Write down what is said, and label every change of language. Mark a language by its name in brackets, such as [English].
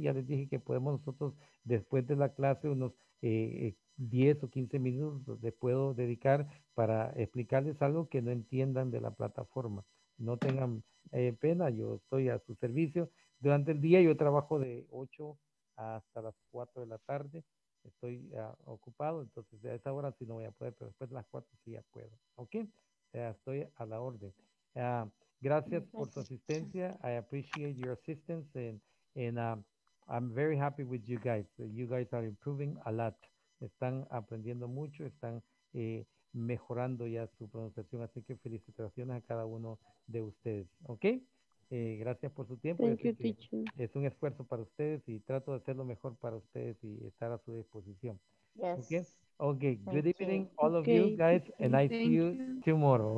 [Spanish] Ya les dije que podemos nosotros, después de la clase, unos 10 o 15 minutos les puedo dedicar para explicarles algo que no entiendan de la plataforma. No tengan pena, yo estoy a su servicio. Durante el día yo trabajo de 8 hasta las 4 de la tarde. Estoy ocupado, entonces a esa hora sí no voy a poder, pero después de las 4 sí ya puedo. ¿Ok? Estoy a la orden. Gracias por su asistencia. [English] I appreciate your assistance and I'm very happy with you guys. You guys are improving a lot. [Spanish] Están aprendiendo mucho, están mejorando ya su pronunciación, así que felicitaciones a cada uno de ustedes. ¿Ok? Gracias por su tiempo. Es un esfuerzo para ustedes y trato de hacer lo mejor para ustedes y estar a su disposición. [English] Yes. Okay. Good evening, all of you guys, and I see you tomorrow.